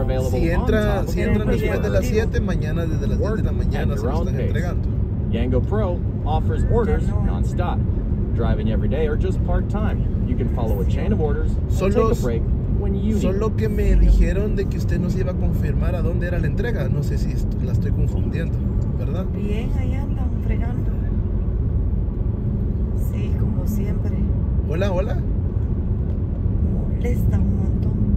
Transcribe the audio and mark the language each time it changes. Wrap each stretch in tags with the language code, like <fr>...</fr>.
<es>Si entran después de las 7, mañana desde las 10 de la mañana se lo están entregando.</es> <en>Yango Pro offers orders non-stop. Driving every day or just part-time. You can follow a chain of orders and take a break when you need.</en> <es>Solo que me dijeron de que usted nos iba a confirmar a dónde era la entrega. No sé si la estoy confundiendo, ¿verdad? Bien, ahí andan fregando. Sí, como siempre. Hola, hola. Molesta un montón.</es>